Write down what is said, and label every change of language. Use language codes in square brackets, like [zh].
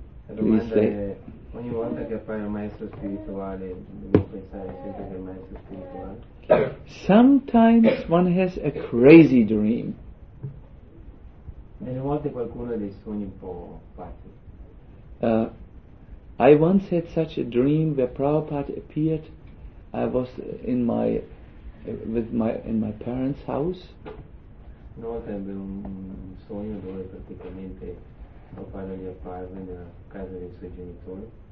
[it] Ogni volta che appare un maestro spirituale, devo pensare sempre che è un maestro spirituale. [en] Sometimes one has a crazy dream. [it] Delle volte qualcuno ha dei sogni un po' pazzi. [en] I once had such a dream where Prabhupada appeared. I was in my with my parents' house. [it] Una volta ebbe un sogno dove praticamente Prabhupada gli apparve nella casa dei suoi genitori.